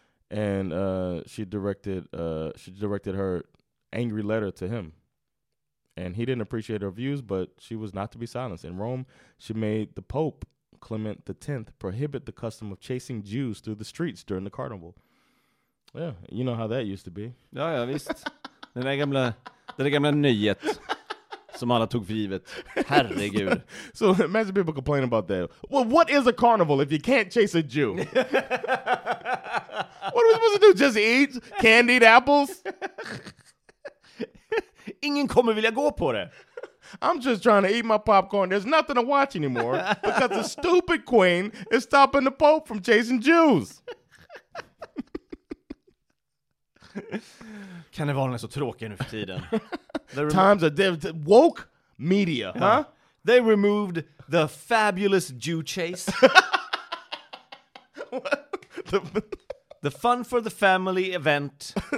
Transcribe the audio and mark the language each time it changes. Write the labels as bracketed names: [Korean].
[English] And she directed her angry letter to him. And he didn't appreciate her views, but she was not to be silenced. In Rome, she made the Pope, Clement X, prohibit the custom of chasing Jews through the streets during the carnival. Yeah, you know how that used to be. [Swedish] Ja, ja, visst. Den där gamla nyhet som alla tog för givet. Herregud. [English] So imagine people complaining about that. Well, what is a carnival if you can't chase a Jew? What are we supposed to do? Just eat candied apples? [Swedish] Ingen kommer vilja gå på det. [English] I'm just trying to eat my popcorn. There's nothing to watch anymore because the stupid queen is stopping the Pope from chasing Jews. [Swedish] Kan det vara något så tråkigt nu för tiden? [English] Times are woke media, huh? Yeah. They removed the fabulous Jew chase. The fun for the family event.